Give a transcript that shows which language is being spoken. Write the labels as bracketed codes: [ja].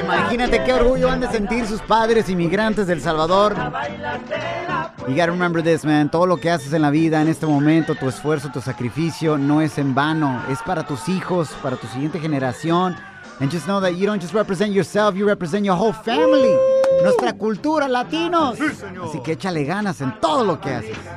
[es] Imagínate qué orgullo han de sentir sus padres inmigrantes del Salvador. [en] You gotta remember this, man. [es] Todo lo que haces en la vida, en este momento, tu esfuerzo, tu sacrificio, no es en vano. Es para tus hijos, para tu siguiente generación. [en] And just know that you don't just represent yourself, you represent your whole family. [es] Nuestra cultura, latinos. Así que échale ganas en todo lo que haces.